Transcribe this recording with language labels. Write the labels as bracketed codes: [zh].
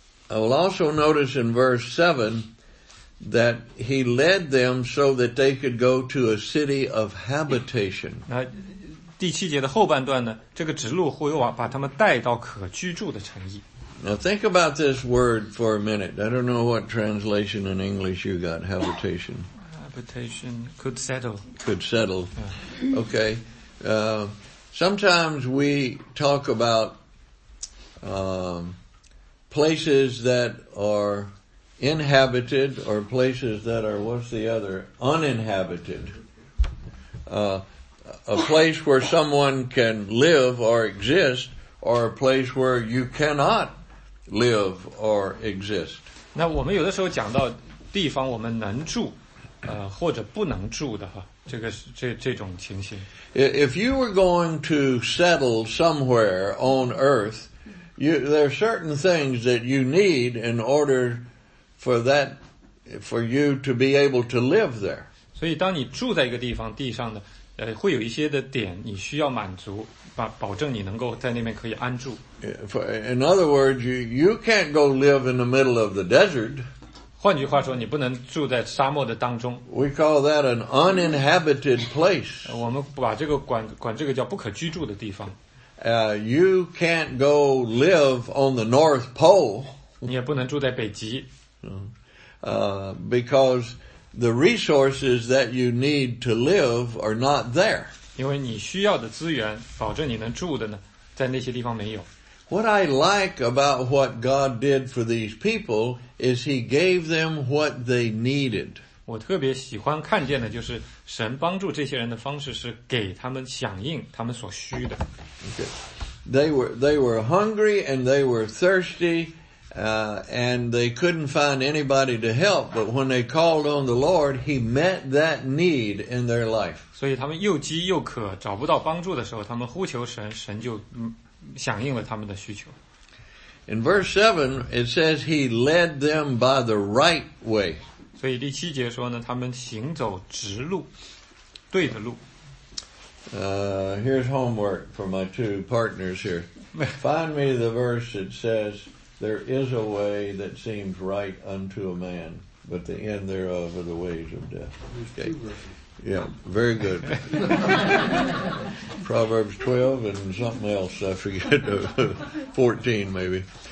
[en] I will also notice in verse 7 that he led them so that they could go to a city of habitation. [zh] 那第七节的后半段呢，这个直路会把他们带到可居住的城邑。 [en] Now think about this word for a minute. I don't know what translation in English you got, habitation. Habitation, could settle. Could settle. Yeah. Okay. Sometimes we talk about places that are inhabited or places that are, what's the other, uninhabited. A place where someone can live or exist, or a place where you cannot live or exist. [zh] 那我们有的时候讲到地方我们能住或者不能住的哈，这种情形。 [en] If you were going to settle somewhere on earth, there are certain things that you need in order for you to be able to live there. [zh] 所以当你住在一个地方地上的会有一些的点你需要满足，保证你能够在那边可以安住。 [en] In other words, you can't go live in the middle of the desert. [zh] 换句话说，你不能住在沙漠的当中。 [en] We call that an uninhabited place. [zh] 我们把这个管这个叫不可居住的地方。 [en] You can't go live on the North Pole. [zh] 你也不能住在北极。 [en] Because the resources that you need to live are not there. [zh] 因为你需要的资源，保证你能住的呢，在那些地方没有。 [en] What I like about what God did for these people is He gave them what they needed. [zh] 我特别喜欢看见的就是神帮助这些人的方式是给他们响应他们所需的。 [en] Okay. They were hungry and they were thirsty, and they couldn't find anybody to help. But when they called on the Lord, He met that need in their life. [zh] 所以他们又饥又渴，找不到帮助的时候，他们呼求神，神就响应了他们的需求。 [en] In verse 7, it says He led them by the right way. [zh] 所以第七节说呢，他们行走直路，对的路。 [en] Here's homework for my two partners here. Find me the verse that says, there is a way that seems right unto a man, but the end thereof are the ways of death. Okay. Yeah, very good. Proverbs 12 and something else, I forget, 14 maybe.